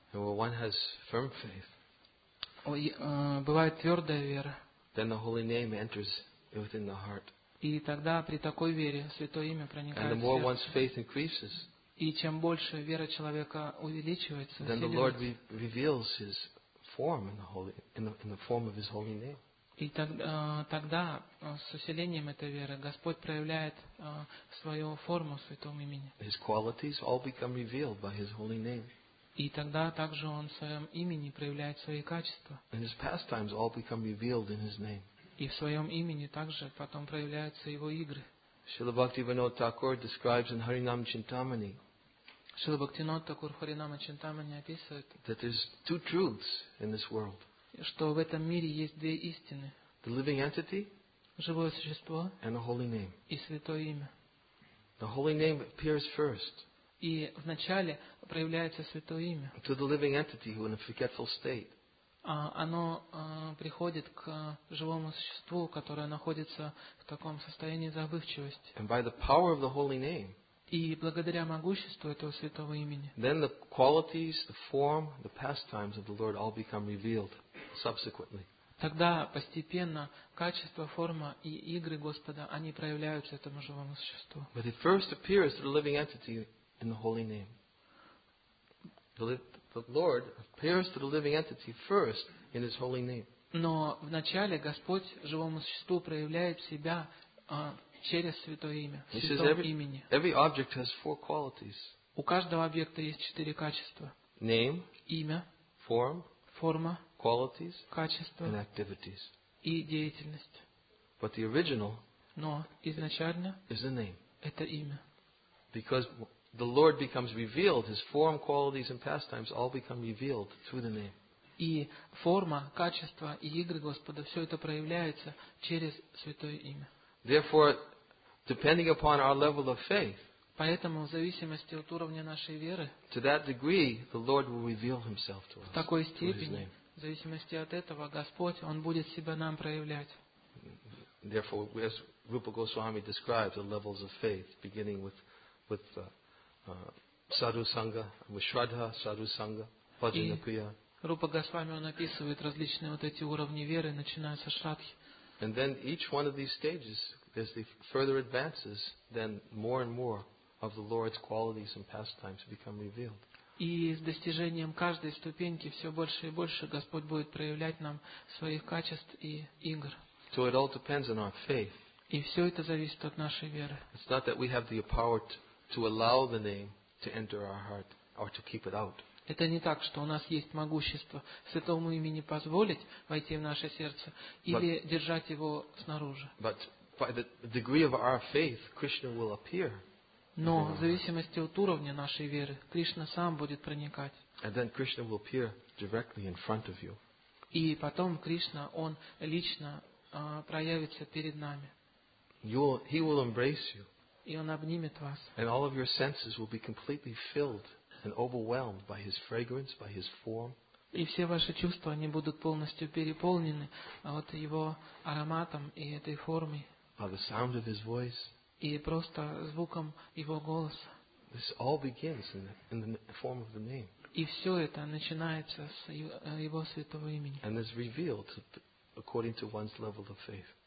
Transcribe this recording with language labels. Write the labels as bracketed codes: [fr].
[en] Well, one has firm faith. [ru] Бывает твердая вера. [en] Then the holy name enters within the heart. [ru] И тогда при такой вере святое имя проникает в сердце. [en] And the more one's faith increases, [ru] и чем больше вера человека увеличивается, [en] then the Lord reveals his form in the holy, in the form of His holy name. [ru] И тогда с усилением этой веры Господь проявляет свою форму в Святом имени. [en] His qualities all become revealed by His holy name. [ru] И тогда также Он в Своем имени проявляет свои качества. [en] And His pastimes all become revealed in His name. [ru] И в Своем имени также потом проявляются Его игры. [en] Śrīla Bhaktivinoda Thakur describes in Harinam Chintamani [ru] Śrīla Bhaktivinoda Thakur в Харинама Чинтамани описывает, [en] that there's two truths in this world. [ru] Что в этом мире есть две истины. [en] The living entity, [ru] живое существо, [en] and the holy name. [ru] И святое имя. [en] The holy name appears first. [ru] И вначале проявляется святое имя. [en] To the living entity who in a forgetful state. [ru] Оно приходит к живому существу, которое находится в таком состоянии забывчивости. [en] And by the power of the holy name. [ru] И благодаря могуществу этого святого имени. [en] Then the qualities, the form, the pastimes of the Lord all become revealed subsequently. [ru] Тогда постепенно качество, форма и игры Господа, они проявляются этому живому существу. [en] But it first appears to the living entity in the holy name. The Lord appears to the living entity first in His holy name. [ru] Но вначале Господь живому существу проявляет себя через святое имя, святое имени. [en] Every object has four qualities. [ru] У каждого объекта есть четыре качества. [en] Name, [ru] имя, [en] form, [ru] форма, [en] qualities, [ru] качество, [en] and activities. [ru] И деятельность. [en] But the original, [ru] но изначально, [en] is the name. [ru] Это имя. [en] Because the Lord becomes revealed, His form, qualities, and pastimes all become revealed through the name. [ru] И форма, качество и игры Господа, все это проявляется через святое имя. [en] Therefore, depending upon our level of faith, [ru] поэтому в зависимости от уровня нашей веры, [en] to that degree, the Lord will reveal Himself to us. [ru] В такой степени, в зависимости от этого, Господь, Он будет Себя нам проявлять. [en] Therefore, as Rupa Goswami describes the levels of faith, beginning with sadhu sangha, with shraddha, sadhu sangha, bhajana kriya. [ru] Rupa Goswami, Он описывает различные вот эти уровни веры, начиная со шраддхи. [en] And then each one of these stages, as the further advances, then more and more of the Lord's qualities and pastimes become revealed. [ru] И с достижением каждой ступеньки все больше и больше Господь будет проявлять нам своих качеств и игр. [en] So it all depends on our faith. [ru] И все это зависит от нашей веры. [en] It's not that we have the power to allow the name to enter our heart or to keep it out. [ru] Это не так, что у нас есть могущество святому имени позволить войти в наше сердце или держать его снаружи. [en] But by the degree of our faith, Krishna will appear. [ru] Но в зависимости от уровня нашей веры, Кришна сам будет проникать. [en] And then Krishna will appear directly in front of you. [ru] И потом Кришна, Он лично проявится перед нами. [en] He will embrace you. [ru] И Он обнимет вас. [en] And all of your senses will be completely filled and overwhelmed by His fragrance, by His form. [ru] И все ваши чувства, они будут полностью переполнены вот Его ароматом и этой формой. [en] By the sound of His voice. [ru] И просто звуком Его голоса. [en] This all begins in the form of the name. [ru] И все это начинается с Его святого имени. [en] And is revealed according to one's level of faith.